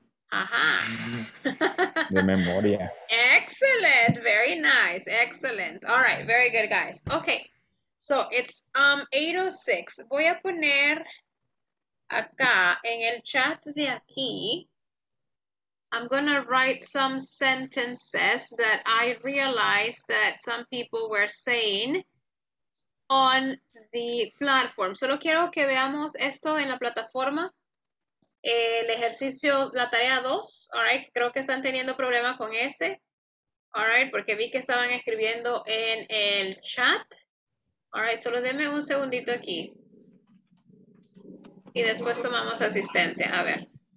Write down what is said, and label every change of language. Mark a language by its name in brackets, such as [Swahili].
[Spanish] Ajá. De memoria. [English] Excellent. Very nice. Excellent. All right. Very good, guys. Okay. So it's 8:06. [Spanish] Voy a poner acá en el chat de aquí. [English] I'm going to write some sentences that I realized that some people were saying on the platform. [Spanish] Solo quiero que veamos esto en la plataforma. El ejercicio, la tarea 2, [English] all right, [Spanish] creo que están teniendo problema con ese, all right, porque vi que estaban escribiendo en el chat, all right, solo denme un segundito aquí, y después tomamos asistencia, a ver.